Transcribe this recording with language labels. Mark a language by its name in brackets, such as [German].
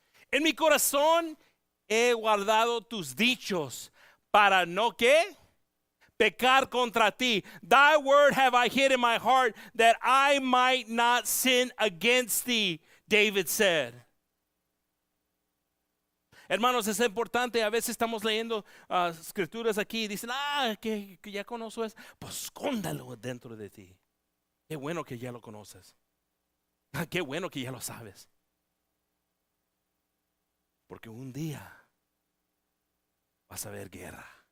[Spanish] En mi corazón he guardado tus dichos para no que pecar contra ti. [English] Thy word have I hid in my heart that I might not sin against thee, David said. [Spanish] Hermanos, es importante. A veces estamos leyendo escrituras aquí y dicen, que ya conozco eso. Pues escóndalo dentro de ti. Qué bueno que ya lo conoces. Qué bueno que ya lo sabes. Porque un día vas a ver guerra.